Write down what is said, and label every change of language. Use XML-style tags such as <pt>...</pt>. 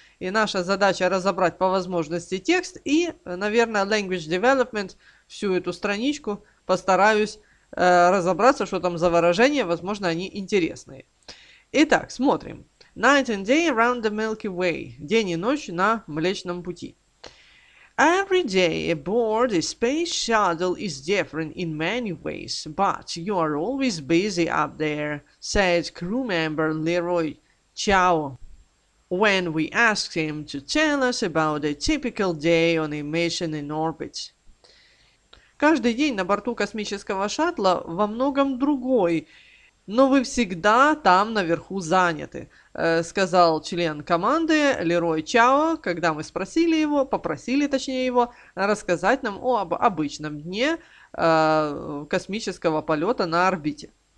<ru>И наша задача разобрать по возможности текст. И, наверное, Language Development, всю эту страничку постараюсь разобраться, что там за выражения. Возможно, они интересные.</ru> <en>Итак, смотрим. Night and day around the Milky Way.</en> <ru>День и ночь на Млечном Пути.</ru> <en>Every day aboard a space shuttle is different in many ways, but you are always busy up there, said crew member Leroy Chow. When we asked him to tell us about a typical day on a mission in orbit.</en> <ru>Каждый день на борту космического шаттла во многом другой, но вы всегда там наверху заняты, сказал член команды Лерой Чао, когда мы спросили его, попросили точнее его, рассказать нам об обычном дне космического полета на орбите.</ru>